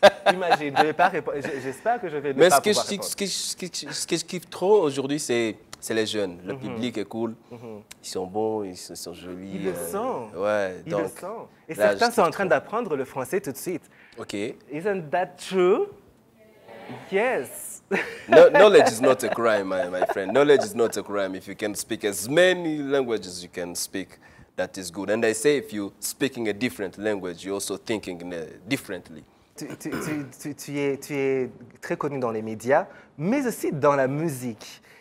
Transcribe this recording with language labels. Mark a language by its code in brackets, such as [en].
[fr] Imagine, je vais pas répondre. J'espère que je vais mais pas pouvoir répondre. Mais ce que je kiffe trop aujourd'hui, c'est les jeunes. Le public est cool. Ils sont bons, ils sont jolis. Ils le sont. Ouais, ils donc. Ils le sont. Et là, certains sont en train d'apprendre le français tout de suite. OK. [en] Isn't that true? Yes. No, knowledge is not a crime, my friend. Knowledge is not a crime. If you can speak as many languages as you can speak, that is good. And I say if you're speaking a different language, you're also thinking differently. [fr] Tu es très connu dans les médias, mais aussi dans la musique.